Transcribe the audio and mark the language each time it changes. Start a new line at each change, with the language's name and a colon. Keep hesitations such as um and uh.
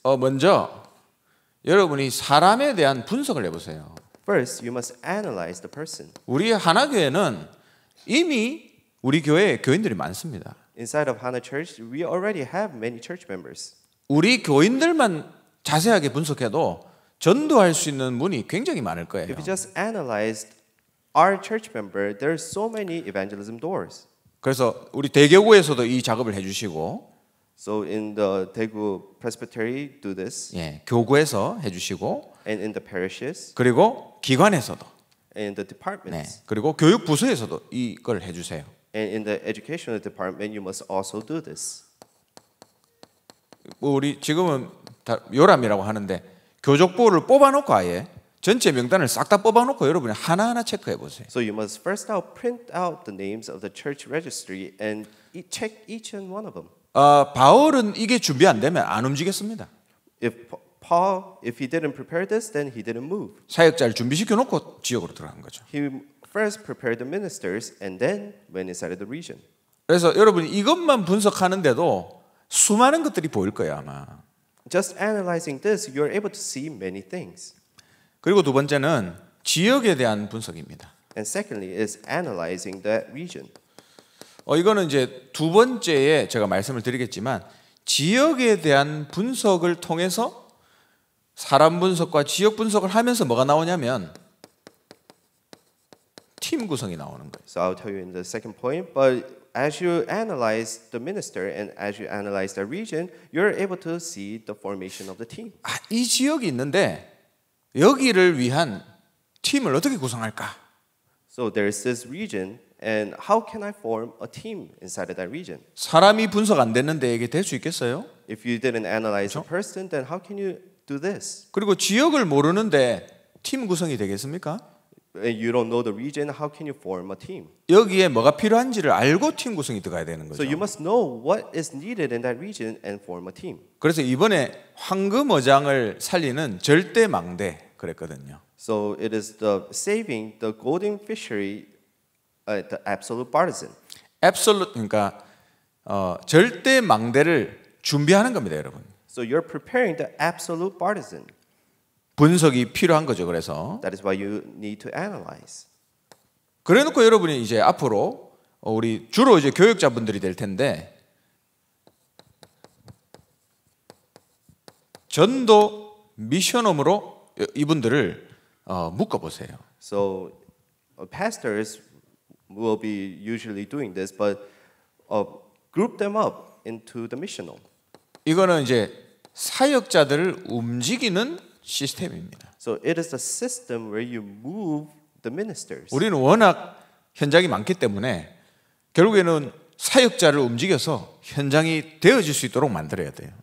Korean: 어 먼저 여러분이 사람에 대한 분석을 해 보세요.
English: First, you must analyze the person.
Korean: 우리 하나 교회는 이미 우리 교회에 교인들이 많습니다.
English: Inside of Hana Church, we already have many church members.
Korean: 우리 교인들만 자세하게 분석해도 전도할 수 있는 문이 굉장히 많을 거예요.
English: If you just analyze our church member, there are so many evangelism doors.
Korean: 그래서 우리 대교구에서도 이 작업을 해 주시고
English: So in the Daegu Presbytery do this.
Korean: 예, 교구에서 해주시고.
English: And in the parishes.
Korean: 그리고 기관에서도.
English: In the departments.
Korean: 네, 그리고 교육 부서에서도 이걸 해주세요.
English: And in the educational department, you must also do this.
Korean: 뭐 우리 지금은 다 요람이라고 하는데 교족부를 뽑아놓고 아예 전체 명단을 싹 다 뽑아놓고 여러분이 하나 하나 체크해 보세요.
English: So you must first out print out the names of the church registry and check each and one of them.
Korean: 바울은 이게 준비 안 되면 안 움직였습니다.
English: If Paul, if he didn't prepare this, then he didn't move.
Korean: 사역자를 준비시켜 놓고 지역으로 들어간 거죠.
English: He first prepared the ministers and then went inside the region.
Korean: 그래서 여러분 이것만 분석하는데도 수많은 것들이 보일 거예요 아마.
English: Just analyzing this, you are able to see many things.
Korean: 그리고 두 번째는 지역에 대한 분석입니다.
English: And secondly is analyzing that region.
Korean: 어, 이거는 이제 두 번째에 제가 말씀을 드리겠지만 지역에 대한 분석을 통해서 사람 분석과 지역 분석을 하면서 뭐가 나오냐면 팀 구성이 나오는 거예요.
English: So I'll tell you in the second point, but as you analyze the minister and as you analyze the region, you're able to see the formation of the team.
Korean: 아, 이 지역이 있는데 여기를 위한 팀을 어떻게 구성할까?
English: So there is this region And how can I form a team inside of that region?
Korean: 사람이 분석 안 됐는데 이게 될수 있겠어요?
English: If you didn't analyze
Korean: 그쵸?
English: a person, then how can you do this?
Korean: 그리고 지역을 모르는데 팀 구성이 되겠습니까?
English: You don't know the region, how can you form a team?
Korean: 여기에 뭐가 필요한지를 알고 팀 구성이 들어가야 되는 거죠.
English: So you must know what is needed in that region and form a team.
Korean: 그래서 이번에 황금어장을 살리는 절대 망대 그랬거든요.
English: So it is the saving the golden fishery the absolute partisan.
Korean: Absolute 그러니까 어, 절대 망대를 준비하는 겁니다, 여러분.
English: So you're preparing the absolute partisan.
Korean: 분석이 필요한 거죠.
English: 그래서 That is why you need to analyze.
Korean: 그래 놓고 여러분이 이제 앞으로 우리 주로 이제 교육자분들이 될 텐데 전도 미션홈으로 이분들을 어, 묶어 보세요.
English: So pastors will be usually doing this, but uh, group them up into the missional.
Korean: 이거는 이제 사역자들을 움직이는 시스템입니다.
English: So it is a system where you move the ministers. 우리는
Korean: 워낙 현장이 많기 때문에 결국에는 사역자를 움직여서 현장이 되어질 수 있도록 만들어야 돼요.